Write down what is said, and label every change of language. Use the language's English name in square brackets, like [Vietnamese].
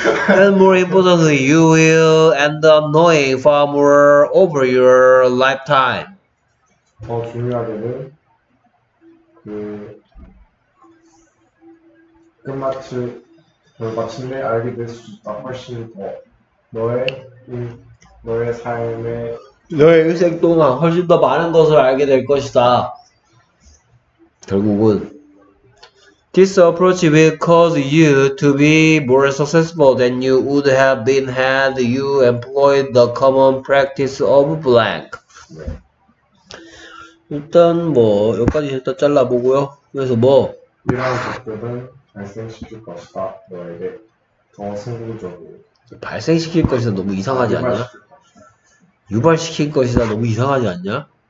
[English] And more importantly, you will end up knowing far more over your lifetime. [Korean] 더 중요하게는 그 끝마침을 마침내 알게 될수 있다. 훨씬 더 너의 삶의 너의 일생 동안 훨씬 더 많은 것을 알게 될 것이다. 결국은 [English] This approach will cause you to be more successful than you would have been had you employed the common practice of blank. [Korean] 일단 뭐 여기까지 일단 잘라보고요. 그래서 뭐 이러한 접근은 발생시킬 것이다. 너에게 더 성공적으로 발생시킬 것이다 너무 이상하지 않냐? 유발시킬 것이다 너무 이상하지 않냐?